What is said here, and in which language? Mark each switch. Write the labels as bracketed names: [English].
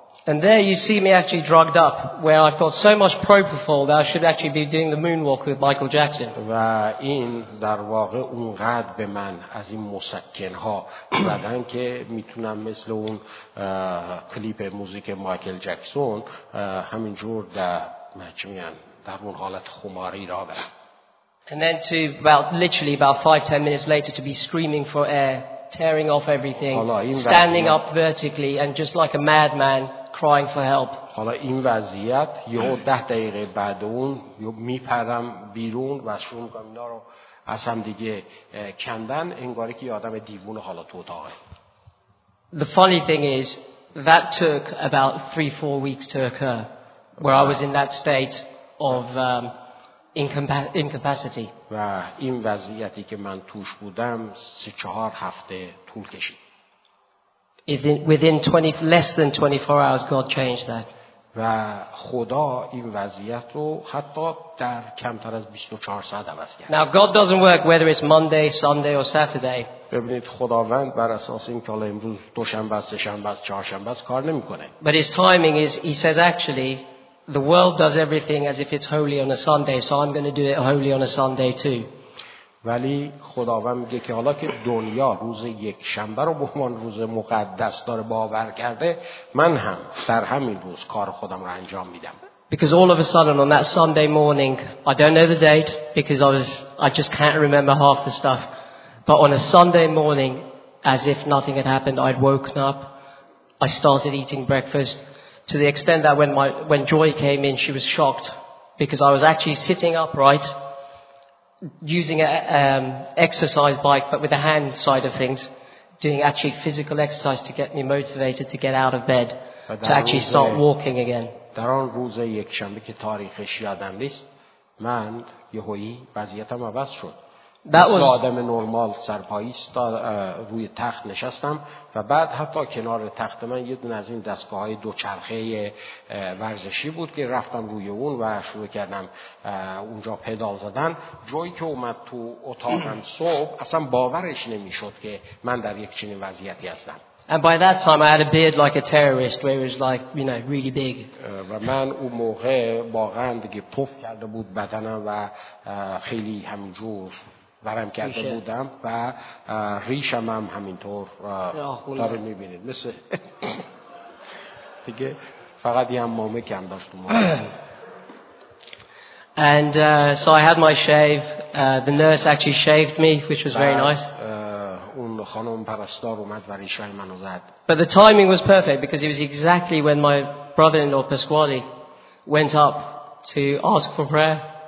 [English] And there you see me actually drugged up, where I've got so much propofol that I should actually be doing the moonwalk with Michael Jackson. [Persian] و این در واقع اونقدر به من از این مسکن‌ها زدن که میتونم مثل اون کلیپ موزیک مایکل جکسون همینجور در مجمعاً در اون حالت خماری را برم. [English] And then to about literally about 5-10 minutes later to be screaming for air, tearing off everything, standing up vertically and just like a madman crying for help. [Persian] حالا این وضعیت یهو 10 دقیقه بعد اون میپرم بیرون و شروع میکنم اینا رو از هم دیگه کندن انگاری که یه آدم دیوونه حالا تو اتاقه. [English] The funny thing is that took about 3-4 weeks to occur where I was in that state of incapacity. [Persian] و این وضعیتی که من توش بودم 3-4 هفته طول کشید. [English] Within 20 less than 24 hours God changed that. [Persian] و خدا این وضعیت رو حتی در کمتر از 24 ساعت عوض کرد. [English] Now God doesn't work whether it's Monday, Sunday or Saturday. [Persian] ببینید خداوند بر اساس این که حالا امروز دوشنبه است، شنبه است، چهارشنبه است کار نمی‌کنه. [English] But his timing is he says actually the world does everything as if it's holy on a Sunday, so I'm going to do it holy on a Sunday too. [Persian] ولی خداوند میگه که حالا که دنیا روز یک شنبه رو به عنوان روز مقدس داره باور کرده، من هم در همین روز کار خودم رو انجام میدم. [English] Because all of a sudden on that Sunday morning, I don't know the date because I just can't remember half the stuff, but on a Sunday morning, as if nothing had happened, I'd woken up, I started eating breakfast, to the extent that when Joy came in, she was shocked because I was actually sitting upright using an exercise bike but with the hand side of things, doing actually physical exercise to get me motivated to get out of bed to actually start walking again. [Persian] در آن روز یک شنبه که تاریخش یادم نیست، من یهویی وضعیتم عوض شد. مثل آدم نرمال سرپایی روی تخت نشستم و بعد حتی کنار تخت من یه دونه از این دستگاه های دوچرخه ورزشی بود که رفتم روی اون و شروع کردم اونجا پدال زدن. جوی که اومد تو اتاقم صبح اصلا باورش نمیشد که من در یک چنین وضعیتی هستم. [English] And by that time I had a beard like a terrorist where it was like, you know, really big. [Persian] و من اون موقع واقعا دیگه پف کرده بود بدنم و خیلی همینجور برم کرده ریشه. بودم و ریشم هم همینطور داره میبینید مثل دیگه فقط یه امامه کم داشت اون موقع. [English] And so I had my shave. The nurse actually shaved me, which was very nice. [Persian] اون خانم پرستار اومد و ریشای منو زد. [English] But the timing was perfect because it was exactly when my brother-in-law Pasquale went up to ask for prayer.